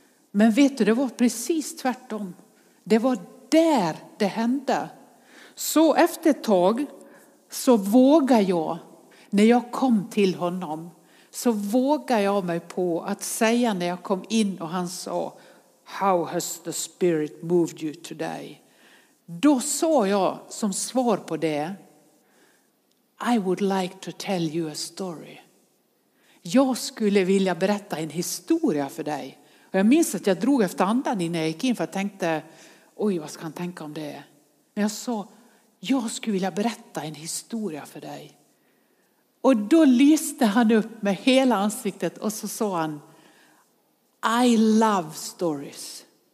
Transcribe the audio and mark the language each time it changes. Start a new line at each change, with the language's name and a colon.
Swedish: Men vet du, det var precis tvärtom. Det var där det hände. Så efter ett tag så vågar jag, när jag kom till honom, så vågar jag mig på att säga när jag kom in och han sa,
English: how has the spirit moved you today?
Swedish: Då sa jag som svar på det,
English: I would like to tell you a story.
Swedish: Jag skulle vilja berätta en historia för dig. Och jag minns att jag drog efter andan innan jag gick in, för jag tänkte, oj, vad ska han tänka om det? Men jag sa, jag skulle vilja berätta en historia för dig. Och då lyste han upp med hela ansiktet och så sa han,
English: I love stories.